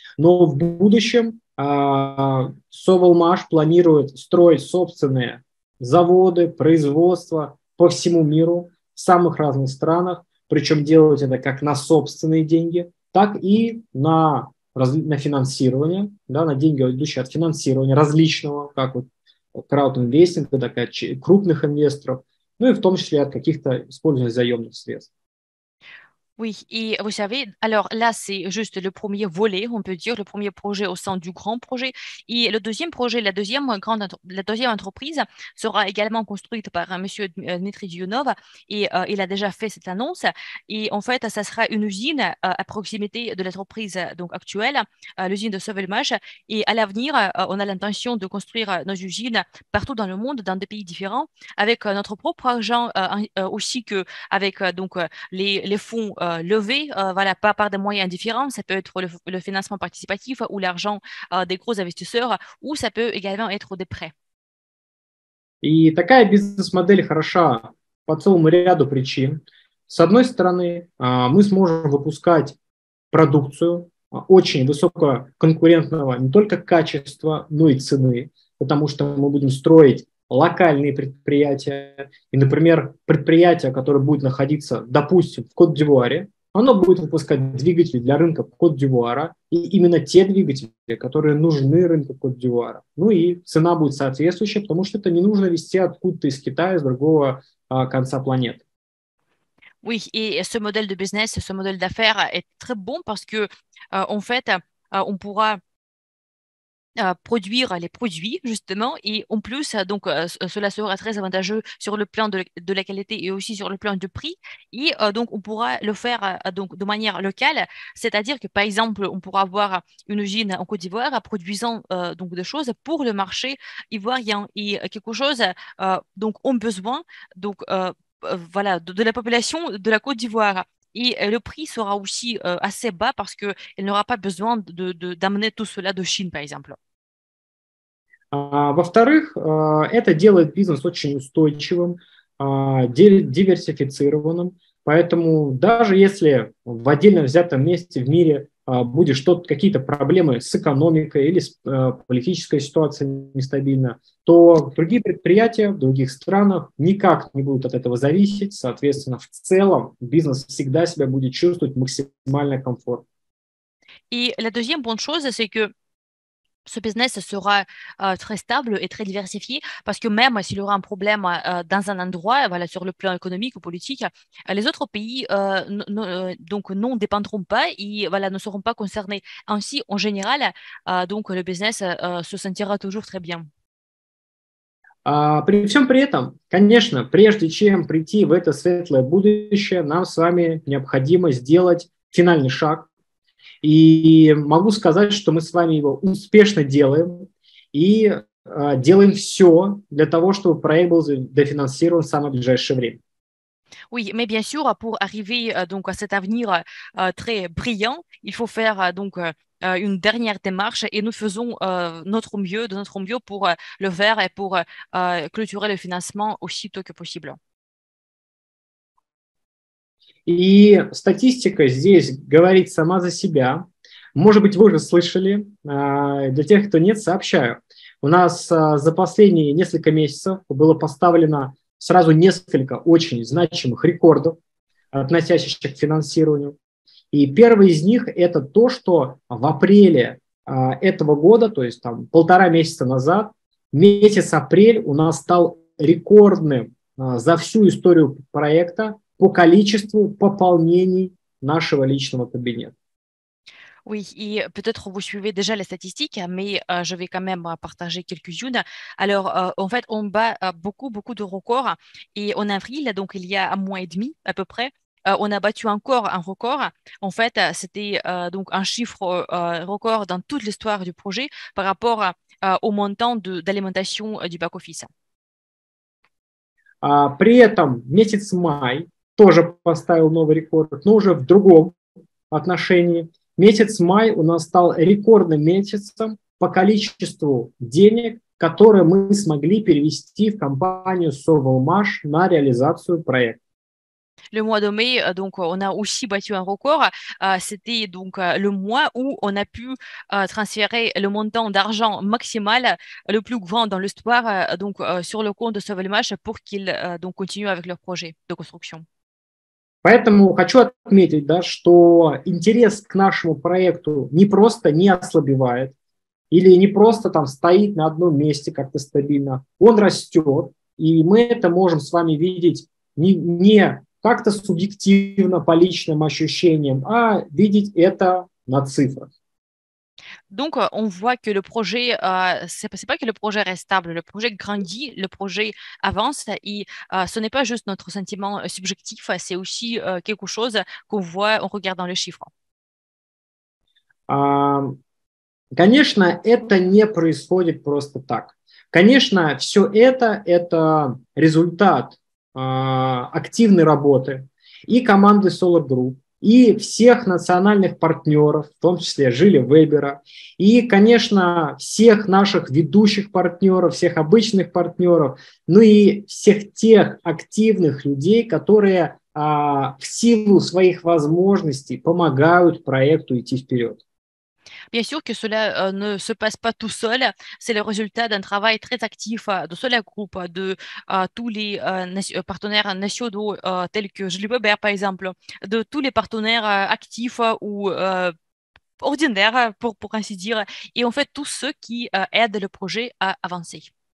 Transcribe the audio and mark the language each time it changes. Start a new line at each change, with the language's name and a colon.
Russian: Но в будущем Совелмаш планирует строить собственные заводы, производства по всему миру, в самых разных странах, причем делать это как на собственные деньги, так и на на финансирование, да, на деньги, идущие от финансирования различного, как вот краудинвестинг, так и от крупных инвесторов, ну и в том числе от каких-то использования заемных средств.
French: Oui, et vous savez, alors là, c'est juste le premier volet, on peut dire, le premier projet au sein du grand projet. Et le deuxième projet, la deuxième entreprise sera également construite par Monsieur Dmitri Dionov et il a déjà fait cette annonce. Et en fait, ça sera une usine à proximité de l'entreprise donc, actuelle, l'usine de Sauvelmash. Et à l'avenir, on a l'intention de construire nos usines partout dans le monde, dans des pays différents, avec notre propre argent, aussi qu'avec les fonds levé, pas par des moyens différents, ça peut être le financement participatif ou l'argent des gros investisseurs, ou ça peut également être des prêts.
Russian: И такая бизнес-модель хороша по целому ряду причин. С одной стороны, мы сможем выпускать продукцию очень высококонкурентного не только качества, но и цены, потому что мы будем строить локальные предприятия, и, например, предприятие, которое будет находиться, допустим, в Кот-д'Ивуаре, оно будет выпускать двигатели для рынка Кот-д'Ивуара, и именно те двигатели, которые нужны рынку Кот-д'Ивуара. Ну и цена будет соответствующая, потому что это не нужно везти откуда-то из Китая, с другого конца планеты.
French: Oui, et ce modèle de business, ce modèle d'affaires est très bon, parce que, en fait, on pourra produire les produits, justement, et en plus, donc, cela sera très avantageux sur le plan de la qualité et aussi sur le plan du prix, et donc, on pourra le faire donc, de manière locale, c'est-à-dire que, par exemple, on pourra avoir une usine en Côte d'Ivoire produisant donc, des choses pour le marché ivoirien et quelque chose donc, en besoin donc, de la population de la Côte d'Ivoire. Et le prix sera aussi assez bas parce qu'elle n'aura pas besoin d'amener tout cela de Chine, par exemple.
Russian: Во-вторых, это делает бизнес очень устойчивым, диверсифицированным. Поэтому даже если в отдельно взятом месте в мире будет что-то, какие-то проблемы с экономикой или с политической ситуацией нестабильно, то другие предприятия в других странах никак не будут от этого зависеть. Соответственно, в целом бизнес всегда себя будет чувствовать максимально комфортно. И
French: la deuxième bonne chose, c'est que ce business sera très stable et très diversifié, parce que même s'il y aura un problème dans un endroit, sur le plan économique ou politique, les autres pays n'en dépendront pas et ne seront pas concernés. Ainsi, en général, le business se sentira toujours très bien.
Russian: При всем при этом, конечно, прежде чем прийти в это светлое будущее, нам с вами необходимо сделать финальный шаг. И могу сказать, что мы с вами его успешно делаем и делаем все для того, чтобы проект был дофинансирован в самое ближайшее время.
French: Oui, mais bien sûr, pour arriver donc à cet avenir très brillant, il faut faire donc une dernière démarche et nous faisons de notre mieux pour le faire et pour clôturer le financement aussi tôt que possible.
Russian: И статистика здесь говорит сама за себя. Может быть, вы уже слышали. Для тех, кто нет, сообщаю. У нас за последние несколько месяцев было поставлено сразу несколько очень значимых рекордов, относящихся к финансированию. И первый из них – это то, что в апреле этого года, то есть там полтора месяца назад, месяц апрель у нас стал рекордным за всю историю проекта по количеству пополнений нашего личного кабинета.
French: Oui, et peut-être vous suivez déjà les statistiques, mais je vais quand même partager quelques-unes. Alors, en fait, on bat beaucoup, beaucoup de records. Et en avril, donc il y a un mois et demi à peu près, on a battu encore un record. En fait, c'était donc un chiffre record dans toute l'histoire du projet par rapport au montant d'alimentation du back-office.
Russian: При этом месяц май тоже поставил новый рекорд, но уже в другом отношении. Месяц май у нас стал рекордным месяцем по количеству денег, которые мы смогли перевести в компанию Sauvelmash на реализацию проекта.
French: Le mois de mai, donc, on a aussi battu un record. C'était donc le mois où on a pu transférer le montant d'argent maximal, le plus grand dans l'histoire, donc, sur le compte de Sauvelmash pour qu'ils continuent avec leur projet de construction.
Russian: Поэтому хочу отметить, да, что интерес к нашему проекту не просто не ослабевает или не просто там стоит на одном месте как-то стабильно. Он растет, и мы это можем с вами видеть не как-то субъективно по личным ощущениям, а видеть это на цифрах.
French: Donc, on voit que le projet, c'est pas que le projet reste stable, le projet grandit, le projet avance, et ce n'est pas juste notre sentiment subjectif, c'est aussi quelque chose qu'on voit en regardant les chiffres.
Russian: Конечно, это не происходит просто так. Конечно, все это результат активной работы и команды Solar Group, и всех национальных партнеров, в том числе Жили Вебера, и, конечно, всех наших ведущих партнеров, всех обычных партнеров, ну и всех тех активных людей, которые в силу своих возможностей помогают проекту идти вперед.
French: Bien sûr que cela ne se passe pas tout seul, c'est le résultat d'un travail très actif de Solar Group, de tous les partenaires nationaux tels que Julie Weber par exemple, de tous les partenaires actifs ou ordinaires pour ainsi dire, et en fait tous ceux qui aident le projet à avancer.